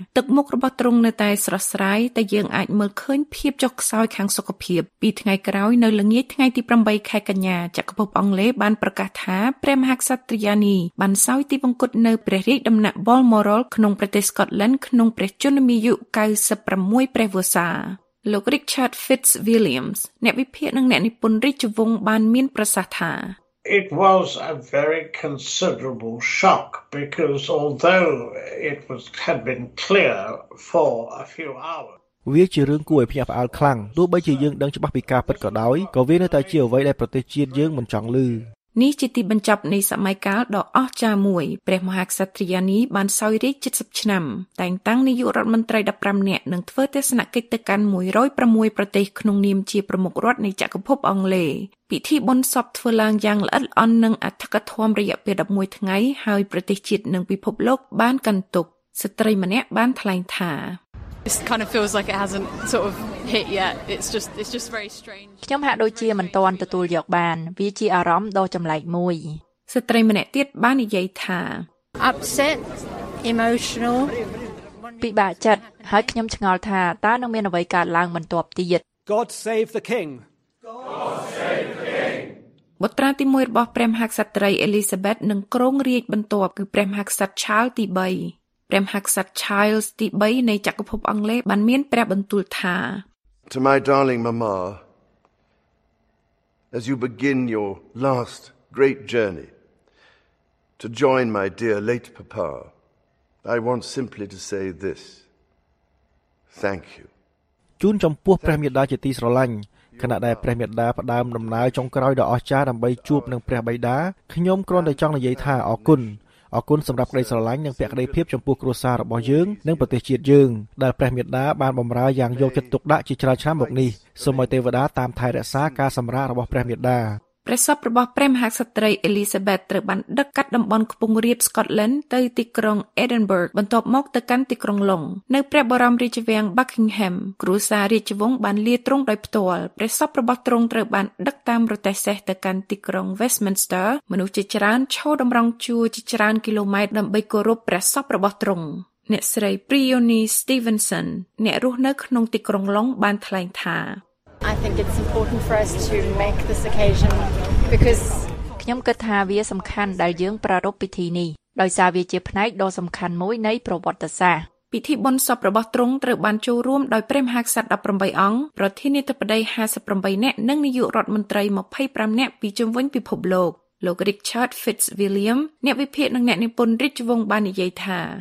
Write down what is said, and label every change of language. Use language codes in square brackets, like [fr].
[km] ទឹកមុខរបស់ទ្រង់នៅតែស្រស់ស្រាយតែយើងអាចមើលឃើញភាពចុះខ្សោយខាងសុខភាពពីថ្ងៃក្រោយនៅល្ងាចថ្ងៃទី8ខែកញ្ញាចក្រភពអង់គ្លេសបានប្រកាសថាព្រះមហាក្សត្រយានីបានសោយទីវង្គតនៅព្រះរាជដំណាក់ Balmoral ក្នុងប្រទេស Scotland ក្នុងព្រះជន្មាយុ96ព្រះវស្សាលោក Richard Fitzwilliams អ្នកវិភាគនិងអ្នកនិពន្ធរាជវង្សបានមានប្រសាសន៍ថា [en] It was a very considerable shock because although it was had been clear for a few hours [km] វាជារឿងគួរឲ្យភ្ញាក់ផ្អើលខ្លាំងទោះបីជាយើងដឹងច្បាស់ពីការពិតក៏ដោយក៏វានៅតែជាអ្វីដែលប្រទេសជាតិយើងមិនចង់ឮ នេះជាទីបញ្ចប់នៃសម័យកាលដ៏អស្ចារ្យមួយព្រះមហាក្សត្រយានីបានសោយរាជ70ឆ្នាំតែងតាំងនាយករដ្ឋមន្ត្រី15នាក់និងធ្វើទស្សនកិច្ចទៅកាន់106ប្រទេសក្នុងនាមជាប្រមុខរដ្ឋនៃចក្រភពអង់គ្លេសពិធីបុណ្យសពធ្វើឡើងយ៉ាងល្អិតល្អន់និងអធិកធមរយៈពេល11ថ្ងៃហើយប្រទេសជាតិនិងពិភពលោកបានកាន់ទុក្ខស្ត្រីម្នាក់បានថ្លែងថា [en] It kind of feels like it hasn't sort of hit yet. It's just very strange. [km] ខ្ញុំហាក់ដូចជាមិនទាន់ទទួលយកបានវាជាអារម្មណ៍ដ៏ចម្លែកមួយ ស្ត្រីម្នាក់ទៀតបាននិយាយថា [en] upset emotional [km] ពិបាកចិត្តហើយខ្ញុំឆ្ងល់ថាតើនឹងមានអ្វីកើតឡើងបន្ទាប់ទៀត [en] God save the king. [km] បុត្រាទី1របស់ព្រះមហាក្សត្រីអេលីសាបេតនឹងគ្រងរាជបន្ទាប់គឺព្រះមហាក្សត្រឆាលទី3ព្រះមហាក្សត្រ Charles ទី3នៃចក្រភពអង់គ្លេសបានមានព្រះបន្ទូលថា [en] To my darling mama as you begin your last great journey to join my dear late papa I want simply to say this thank you [km] ជូនចំពោះព្រះមាតាជាទីស្រឡាញ់ខណៈដែលព្រះមាតាផ្ដើមដំណើរចុងក្រោយដ៏អស្ចារ្យដើម្បីជួបនឹងព្រះបិតាខ្ញុំគ្រាន់តែចង់និយាយថាអរគុណអរគុណសម្រាប់ក្តីស្រឡាញ់និងភក្តីភាពចំពោះគ្រួសាររបស់យើងនិងប្រទេសជាតិយើងដែលព្រះមេត្តាបានបម្រើយ៉ាងយកចិត្តទុកដាក់ជាច្រើនឆ្នាំមកនេះសូមឲ្យទេវតាតាមថែរក្សាការសម្រាលរបស់ព្រះមេត្តា ព្រះសពរបស់ព្រះមហាក្សត្រីអេលីសាបេតត្រូវបានដឹកកាត់តំបន់ខ្ពង់រាបស្កុតឡែនទៅទីក្រុងអេឌិនបឺកបន្ទាប់មកទៅកាន់ទីក្រុងឡុងនៅព្រះបរមរាជវាំងបាក់ឃីងហែមគ្រួសាររាជវង្សបានលាទ្រង់ដោយផ្ទាល់ព្រះសពរបស់ទ្រង់ត្រូវបានដឹកតាមរទេះសេះទៅកាន់ទីក្រុងវេស្តមីនស្ទ័រមនុស្សជាច្រើនឈរតម្រង់ជួរជាច្រើនគីឡូម៉ែត្រដើម្បីគោរពព្រះសពរបស់ទ្រង់អ្នកស្រីព្រីយូនីស្ទីវិនសិនអ្នករស់នៅក្នុងទីក្រុងឡុងបានថ្លែងថា [en] I think it's important for us to make this occasion because [km] ខ្ញុំគិតថាវាសំខាន់ដែលយើងប្រារព្ធពិធីនេះដោយសារវាជាផ្នែកដ៏សំខាន់មួយនៃប្រវត្តិសាស្ត្រ ពិធីបុណ្យសពរបស់ទ្រង់ត្រូវបានចូលរួមដោយព្រះមហាក្សត្រ18អង្គប្រធានាធិបតី58នាក់និងនាយករដ្ឋមន្ត្រី25នាក់ពីជុំវិញពិភពលោកលោក Richard Fitzwilliam អ្នកវិភាគនិងអ្នកនិពន្ធរាជវង្សបាននិយាយថា